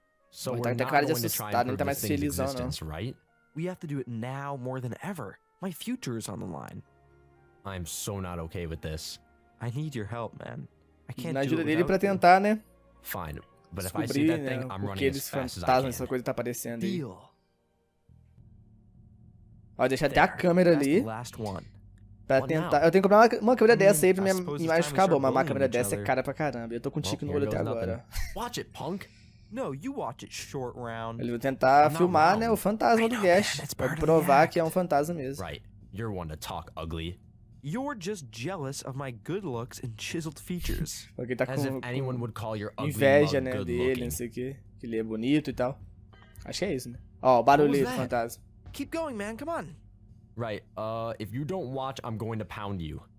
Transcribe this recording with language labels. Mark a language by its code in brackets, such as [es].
[en] So we're not going to try and prove this thing's existence, right? We have to do it now more than ever. My future is on the line. I'm so not okay with this. I need your help, man. I can't do it without you. [pt] Pra tentar, né? [en] Fine, but if I see that thing, I'm running as fast as I can. [pt] Essa coisa tá aparecendo aí. Ó, deixa até a câmera ali. Pra tentar. Eu tenho que comprar uma câmera dessa aí pra minha imagem ficar boa. Mas uma câmera dessa é cara pra caramba. Eu tô com tique no olho até agora. [en] Watch it, punk. No, you watch it short round. [pt] Ele vai tentar filmar, né, o fantasma do Gash, pra provar que é um fantasma mesmo. [en] Right. You're one to talk ugly. You're just jealous of my good looks and chiseled features. [pt] Porque tá com [en] anyone would call your ugly [pt] inveja, né, dele, não sei o quê, que ele é bonito e tal. Acho que é isso, né? Ó, oh, barulho do fantasma. [en] Keep going, man. Come on. Right. If you don't watch, I'm going to pound you.